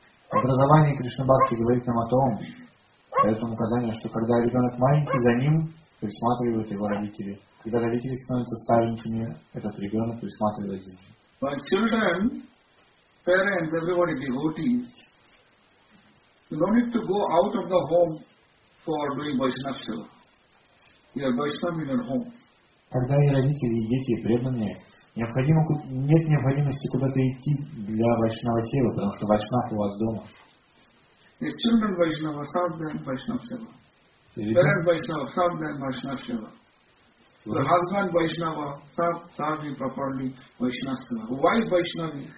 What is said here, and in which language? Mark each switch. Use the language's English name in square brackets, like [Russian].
[Russian] Образование Кришна Бхакти говорит нам о том, дает нам указание, что когда ребенок маленький, за ним присматривают его родители. Когда родители становятся старенькими, этот ребенок присматривает за ним. [English] When children, parents, everybody devotees, you don't need to go out of the home for doing Vaishnava seva. You are Vaishnava in your home. [Russian] Когда и родители, и дети, и преданные, нет необходимости куда-то идти для вайшнава севы, потому что вайшнав у вас дома.